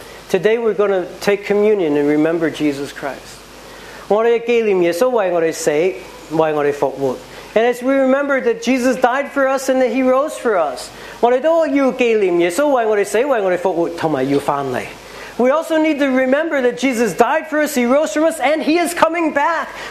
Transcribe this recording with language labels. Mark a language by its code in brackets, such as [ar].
[en] Today we're going to take communion and remember Jesus Christ. [zh] 我们要纪念耶稣为我们死，为我们复活。 [en] And as we remember that Jesus died for us and that He rose for us, [zh] 我们都要纪念耶稣为我们死，为我们复活，还有要回来。 [en] We also need to remember that Jesus died for us, He rose from us, and He is coming back.